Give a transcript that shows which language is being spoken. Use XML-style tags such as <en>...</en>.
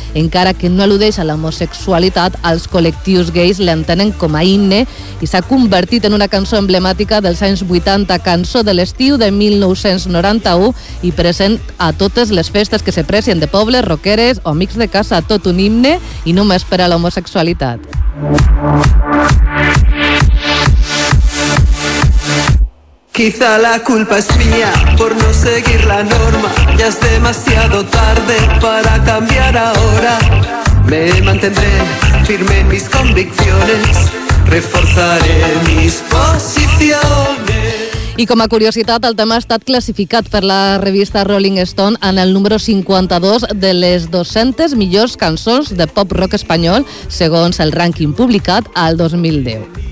<ca>Encara que no al·ludeix a l'homosexualitat, els col·lectius gais l'entenen com a himne i s'ha convertit en una cançó emblemàtica dels anys 80, cançó de l'estiu de 1991 i present a totes les festes que se precien de pobles, roqueres o amics de casa, tot un himne i només per a l'homosexualitat.</ca> <es>Quizá la culpa es mía por no seguir la norma. Ya es demasiado tarde para cambiar ahora. Me mantendré firme en mis convicciones. Reforzaré mis posiciones.</es> <ca>I com a curiositat, el tema ha estat classificat per la revista Rolling Stone en el número 52 de les 200 millors cançons de pop rock espanyol, segons el rànquing publicat al 2010.</ca>